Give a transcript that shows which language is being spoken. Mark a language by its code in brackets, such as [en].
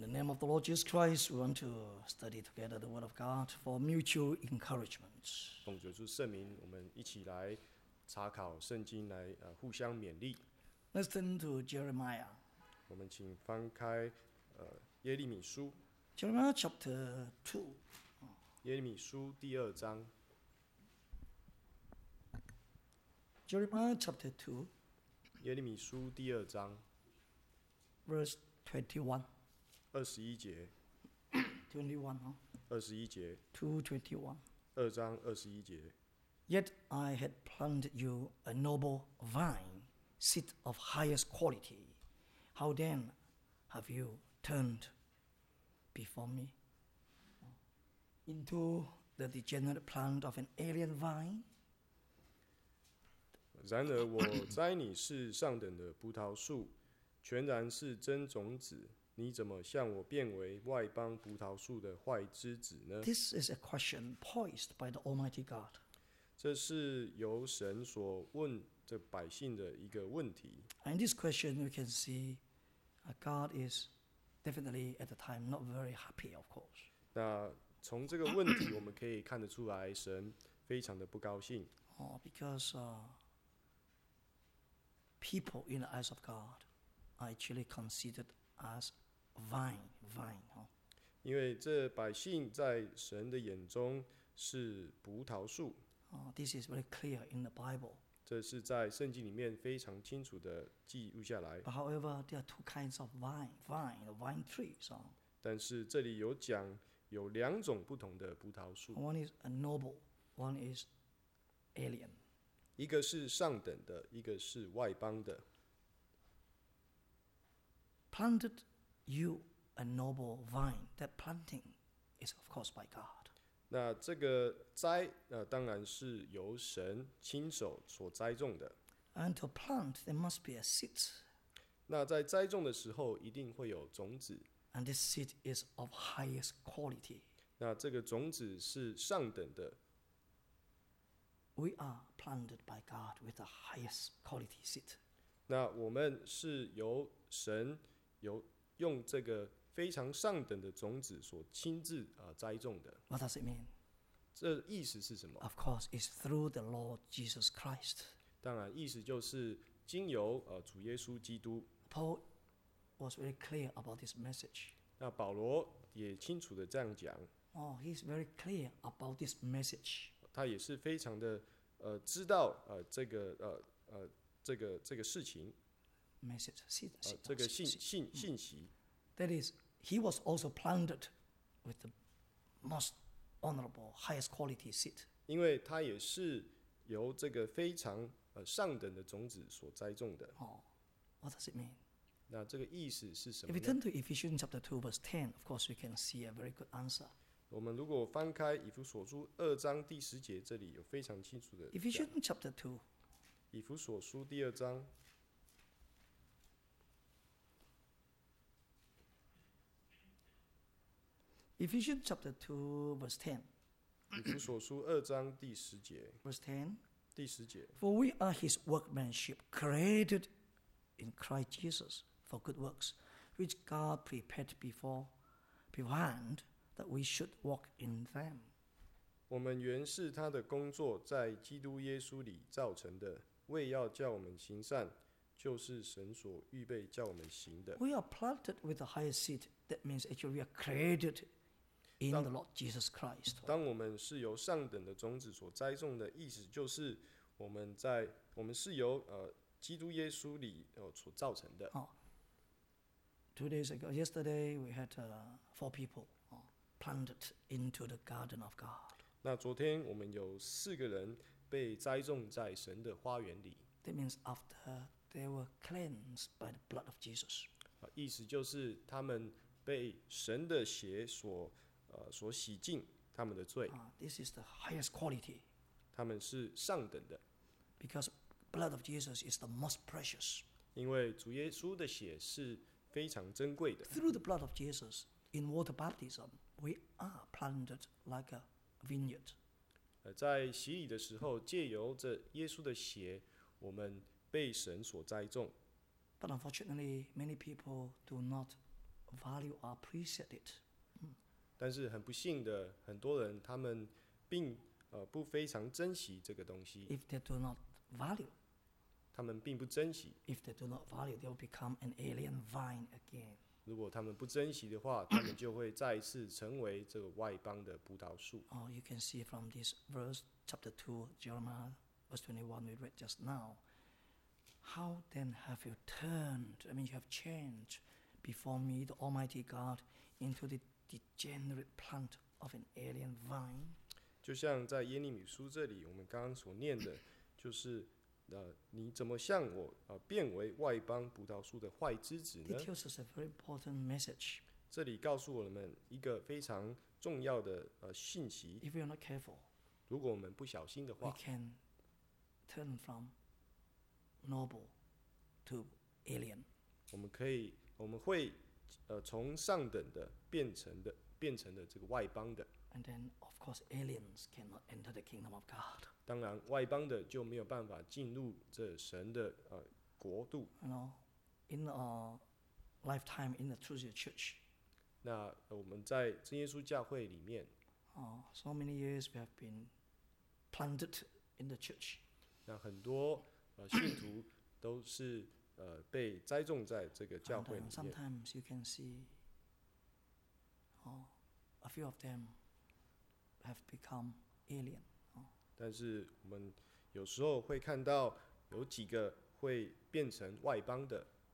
[en] of the Lord Jesus Christ, we want to study together the Word of God for mutual encouragement. [zh] 奉主耶稣圣名，我们一起来查考圣经，来互相勉励。 [en] Listen to Jeremiah. [zh] 我们请翻开耶利米书。 [en] Jeremiah chapter 2. [zh] 耶利米书第二章。 [en] Jeremiah chapter 2. [zh] 耶利米书第二章。 [en] Verse 21. [zh] 二十一节 [en] 21, [zh] 二十一节 [en] 2:21, [zh] 二章二十一节 [en] Yet I had planted you a noble vine, seed of highest quality. How then have you turned before me into the degenerate plant of an alien vine? [zh] 然而我栽你是上等的葡萄树，全然是真种子。你怎么向我变为外邦葡萄树的坏枝子呢？ [en] This is a question posed by the Almighty God. [zh] 这是由神所问这百姓的一个问题。 [en] And this question, we can see, God is definitely at the time not very happy, of course. [zh] 那从这个问题，我们可以看得出来，神非常的不高兴。 [en] Oh, because people in the eyes of God are actually considered as vine, [zh] 因为这百姓在神的眼中是葡萄树。 [en] This is very clear in the Bible. [zh] 这是在圣经里面非常清楚的记录下来。 [en] But however, there are two kinds of vine trees. [zh] 但是这里有讲有两种不同的葡萄树。 [en] One is a noble, one is alien. [zh] 一个是上等的，一个是外邦的。 [en] Planted. You a noble vine. That planting is of course by God. [zh] 那这个栽，当然是由神亲手所栽种的。 [en] And to plant, there must be a seed. [zh] 那在栽种的时候，一定会有种子。 [en] And this seed is of highest quality. [zh] 那这个种子是上等的。 [en] We are planted by God with the highest quality seed. [zh] 那我们是由神由用这个非常上等的种子所亲自栽种的。 [en] What does it mean? [zh] 这意思是什么？ [en] Of course, it's through the Lord Jesus Christ. [zh] 当然，意思就是经由主耶稣基督。 [en] Paul was very clear about this message. [zh] 那保罗也清楚的这样讲。 [en] Oh, he's very clear about this message. [zh] 他也是非常的知道这个事情。 message 信息、嗯、 [en] That is, he was also planted with the most honorable, highest quality seed. [zh] 因为他也是由这个非常上等的种子所栽种的。 [en] Oh, what does it mean? [zh] 那这个意思是什么？ [en] If we turn to Ephesians chapter 2 verse 10, of course we can see a very good answer. [zh] 我们如果翻开以弗所书二章第十节，这里有非常清楚的。 [en] Ephesians chapter 2. [zh] 以弗所书第二章。 [en] Ephesians chapter 2, verse 10. [zh] 以弗所书二章第十节。 [en] Verse 10. [zh] 第十节。 [en] For we are his workmanship, created in Christ Jesus for good works, which God prepared beforehand that we should walk in them. [zh] 我们原是他的工作，在基督耶稣里造成的，为要叫我们行善，就是神所预备叫我们行的。 [en] We are planted with the highest seed. That means actually we are created. In the Lord Jesus Christ. [zh] 当我们是由上等的种子所栽种的，意思就是我们是由基督耶稣里所造成的。 [en] Two days ago, yesterday we had four people planted into the garden of God. [zh] 那昨天我们有四个人被栽种在神的花园里。 [en] That means after they were cleansed by the blood of Jesus. [zh] 意思就是他们被神的血所洗净他们的罪。 [en] This is the highest quality. [zh] 他们是上等的。 [en] Because blood of Jesus is the most precious. [zh] 因为主耶稣的血是非常珍贵的。 [en] Through the blood of Jesus, in water baptism, we are planted like a vineyard. [zh] 在洗礼的时候，借由这耶稣的血，我们被神所栽种。 [en] But unfortunately, many people do not value are appreciated. [zh] 但是很不幸的，很多人他们并不非常珍惜这个东西。 [en] If they do not value, [zh] 他们并不珍惜。 [en] If they do not value, they will become an alien vine again. [zh] 如果他们不珍惜的话，他们就会再次成为这个外邦的葡萄树。 [en] Oh, you can see from this verse, chapter 2, Jeremiah, verse 21 we read just now. How then have you turned, I mean you have changed before me, the Almighty God, into the degenerate plant of an alien vine? [zh] 就像在耶利米书这里我们刚刚所念的，就是你怎么向我变为外邦葡萄树的坏枝子呢？ [en] It tells us a very important message. [zh] 这里告诉我们一个非常重要的信息。 [en] If we are not careful, [zh] 如果我们不小心的话， [en] we can turn from noble to alien. [zh] 我们会从上等的变成的这个外邦的。 [en] And then, of course, aliens cannot enter the kingdom of God. [zh] 当然，外邦的就没有办法进入这神的国度。 [en] You know, in our lifetime in the true church. [zh] 那我们在真耶稣教会里面。 [en] So many years we have been planted in the church. [zh] 那很多信徒都是被栽种在这个教会里面。 [en] Sometimes you can see, a few of them. Have become alien. [zh] 但是我们有时候会看到有几个会变成外邦的。